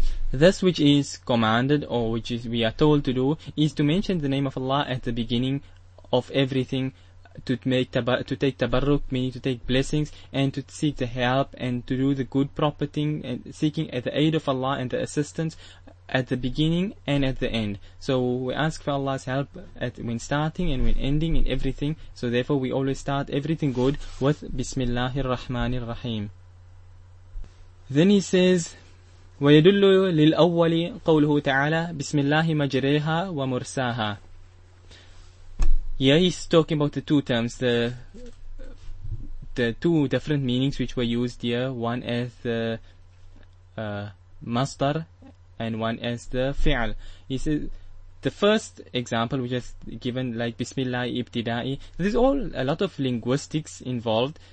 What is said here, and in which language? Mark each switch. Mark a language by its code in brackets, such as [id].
[en] This which is commanded, or which is we are told to do, is to mention the name of Allah at the beginning of everything, to take tabarruk, meaning to take blessings, and to seek the help, and to do the good proper thing, and seeking at the aid of Allah and the assistance at the beginning and at the end. So we ask for Allah's help at when starting and when ending in everything. So therefore we always start everything good with Bismillahir Rahmanir Rahim. Then he says, [ar] ويدل للأول قوله تعالى بسم الله مجريها ومرساها. [en] Yeah, he's talking about the two terms, the two different meanings which were used here. One as the masdar and one as the fi'l. He says the first example which is given, like Bismillah ibtida'i, there's all a lot of linguistics involved.